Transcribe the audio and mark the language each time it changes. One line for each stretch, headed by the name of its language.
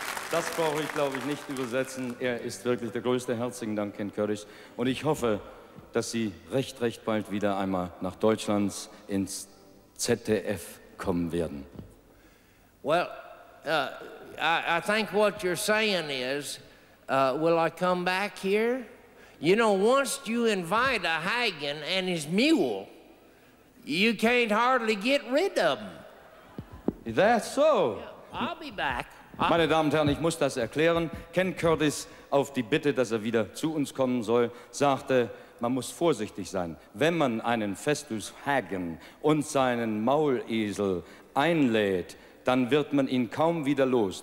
German: Das brauche ich, glaube ich, nicht übersetzen. Er ist wirklich der größte. Herzlichen Dank, Ken Curtis. Und ich hoffe, dass Sie recht, recht bald wieder einmal nach Deutschland ins ZDF kommen werden.
English: Well, I think what you're saying is, will I come back here? You know, once you invite a Hagen and his mule, you can't hardly get rid of him. Is that so? Yeah, I'll be back.
German: Meine Damen und Herren, ich muss das erklären. Ken Curtis, auf die Bitte, dass er wieder zu uns kommen soll, sagte, man muss vorsichtig sein. Wenn man einen Festus Hagen und seinen Maulesel einlädt, dann wird man ihn kaum wieder los.